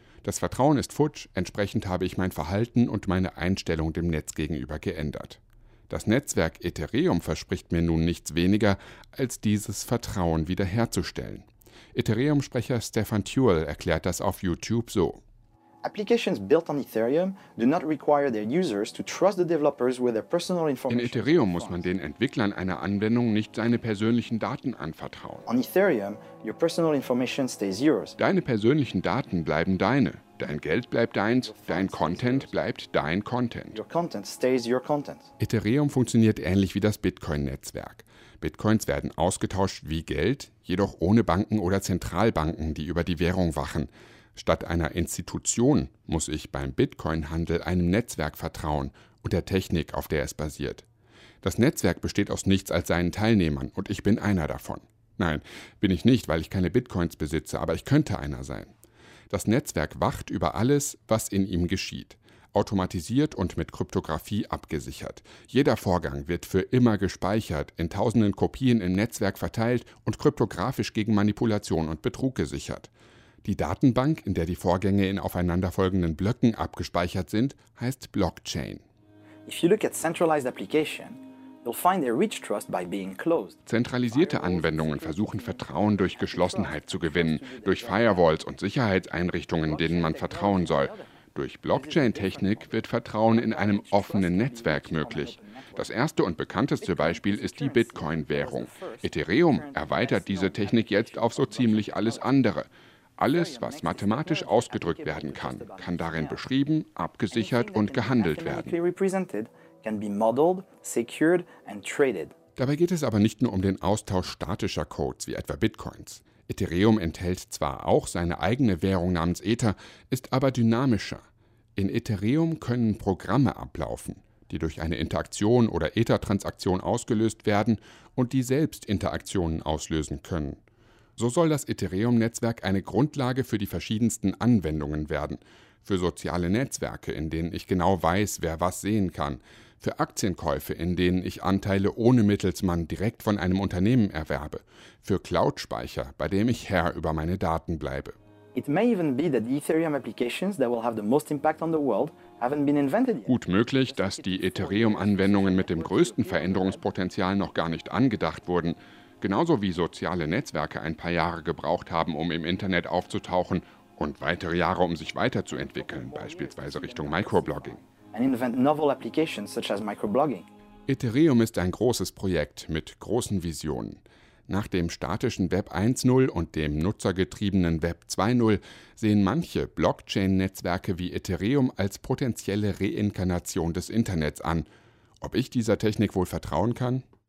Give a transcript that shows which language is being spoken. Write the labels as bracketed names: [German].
[German] Das Vertrauen ist futsch, entsprechend habe ich mein Verhalten und meine Einstellung dem Netz gegenüber geändert. Das Netzwerk Ethereum verspricht mir nun nichts weniger, als dieses Vertrauen wiederherzustellen. Ethereum-Sprecher Stefan Tuell erklärt das auf YouTube so. [English] Applications built on Ethereum do not require their users to trust the developers with their personal information. [German] In Ethereum muss man den Entwicklern einer Anwendung nicht seine persönlichen Daten anvertrauen. [English] On Ethereum, your personal information stays yours. [German] Deine persönlichen Daten bleiben deine. Dein Geld bleibt deins, dein Content bleibt dein Content. [English] Your content stays your content. [German] Ethereum funktioniert ähnlich wie das Bitcoin-Netzwerk. Bitcoins werden ausgetauscht wie Geld, jedoch ohne Banken oder Zentralbanken, die über die Währung wachen. Statt einer Institution muss ich beim Bitcoin-Handel einem Netzwerk vertrauen und der Technik, auf der es basiert. Das Netzwerk besteht aus nichts als seinen Teilnehmern und ich bin einer davon. Nein, bin ich nicht, weil ich keine Bitcoins besitze, aber ich könnte einer sein. Das Netzwerk wacht über alles, was in ihm geschieht. Automatisiert und mit Kryptographie abgesichert. Jeder Vorgang wird für immer gespeichert, in tausenden Kopien im Netzwerk verteilt und kryptografisch gegen Manipulation und Betrug gesichert. Die Datenbank, in der die Vorgänge in aufeinanderfolgenden Blöcken abgespeichert sind, heißt Blockchain. [English] If you look at centralized application, you'll find a rich trust by being closed. [German] Zentralisierte Anwendungen versuchen Vertrauen durch Geschlossenheit zu gewinnen, durch Firewalls und Sicherheitseinrichtungen, denen man vertrauen soll. Durch Blockchain-Technik wird Vertrauen in einem offenen Netzwerk möglich. Das erste und bekannteste Beispiel ist die Bitcoin-Währung. Ethereum erweitert diese Technik jetzt auf so ziemlich alles andere. Alles, was mathematisch ausgedrückt werden kann, kann darin beschrieben, abgesichert und gehandelt werden. [English] Can be modeled, secured and traded. [German] Dabei geht es aber nicht nur um den Austausch statischer Codes, wie etwa Bitcoins. Ethereum enthält zwar auch seine eigene Währung namens Ether, ist aber dynamischer. In Ethereum können Programme ablaufen, die durch eine Interaktion oder Ether-Transaktion ausgelöst werden und die selbst Interaktionen auslösen können. So soll das Ethereum-Netzwerk eine Grundlage für die verschiedensten Anwendungen werden. Für soziale Netzwerke, in denen ich genau weiß, wer was sehen kann. Für Aktienkäufe, in denen ich Anteile ohne Mittelsmann direkt von einem Unternehmen erwerbe. Für Cloud-Speicher, bei dem ich Herr über meine Daten bleibe. [English] It may even be that the Ethereum applications that will have the most impact on the world haven't been invented yet. [German] Gut möglich, dass die Ethereum-Anwendungen mit dem größten Veränderungspotenzial noch gar nicht angedacht wurden. Genauso wie soziale Netzwerke ein paar Jahre gebraucht haben, um im Internet aufzutauchen. Und weitere Jahre, um sich weiterzuentwickeln, beispielsweise Richtung Microblogging. [English] And invent novel applications such as microblogging. [German] Ethereum ist ein großes Projekt mit großen Visionen. Nach dem statischen Web 1.0 und dem nutzergetriebenen Web 2.0 sehen manche Blockchain-Netzwerke wie Ethereum als potenzielle Reinkarnation des Internets an. Ob ich dieser Technik wohl vertrauen kann?